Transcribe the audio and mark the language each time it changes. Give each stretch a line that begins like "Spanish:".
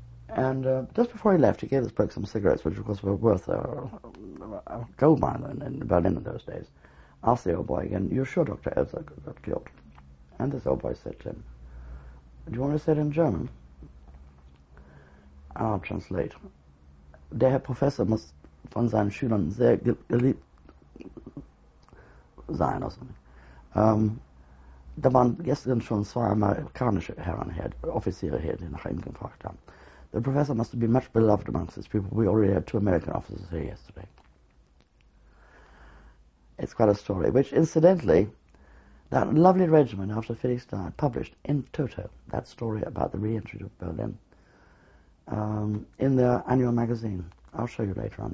English: And just before he left, he gave this bloke some cigarettes, which of course were worth a gold mine in Berlin in those days. Asked the old boy again, you're sure Dr. Elsässer got killed? And this old boy said to him, do you want me to say it in German? I'll translate.
German: Der Professor muss von seinen Schülern sehr geliebt sein. Also, da waren gestern schon zwei amerikanische Herren her, Offiziere her, die nach ihm gefragt haben.
English: The professor must be much beloved amongst his people. We already had two American officers here yesterday. It's quite a story, which incidentally, that lovely regiment after Felix died published in toto, that story about the re-entry to Berlin, in their annual magazine. I'll show you later on.